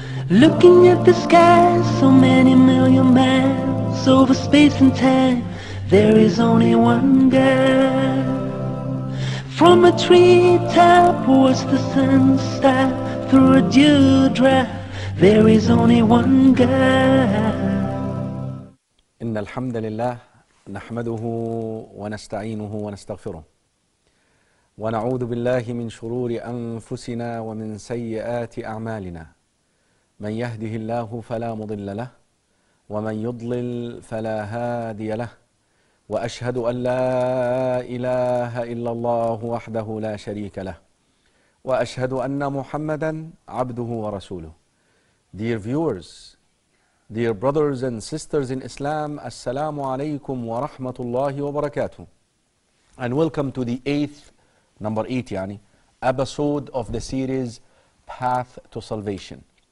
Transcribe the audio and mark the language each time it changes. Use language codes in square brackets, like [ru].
[en] Looking at the sky, so many million miles over space and time, there is only one girl. From a treetop towards the sunset, through a dewdrop, there is only one girl. [ar] إن الحمد لله نحمده ونستعينه ونستغفره ونعوذ بالله من شرور أنفسنا ومن سيئات أعمالنا. من يهده الله فلا مضل له، ومن يضلل فلا هادي له، وأشهد أن لا إله إلا الله وحده لا شريك له، وأشهد أن محمدًا عبده ورسوله. [en] Dear viewers, dear brothers and sisters in Islam, [ar] السلام عليكم ورحمة الله وبركاته. [en] And welcome to the number eight, episode of the series Path to Salvation.